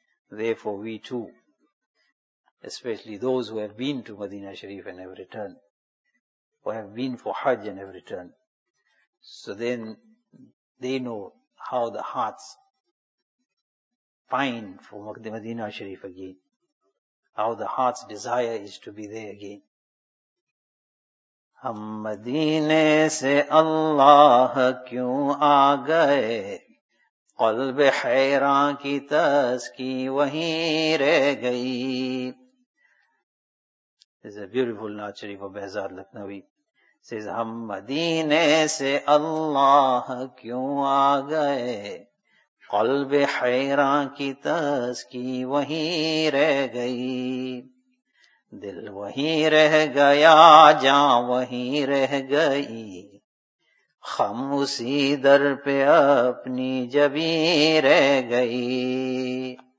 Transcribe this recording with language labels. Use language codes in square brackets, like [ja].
[en] Therefore we too, especially those who have been to Madina Sharif and have returned, or have been for Hajj and have returned, so then they know how the hearts pine for Madina Sharif again, how the heart's desire is to be there again. [ur] ہم مدینے سے اللہ کیوں آ گئے قلب حیران کی تسکی وہیں رہ گئی. [en] This is a beautiful Naat Sharif of Behzad Lakhnavi. Says, [ur] ہم مدینے سے اللہ کیوں آ گئے قلب حیران کی تسکی وہیں رہ گئی. دل وہیں رہ گیا جاں وہیں رہ گئی خم اسی در پہ اپنی جبی رہ گئی.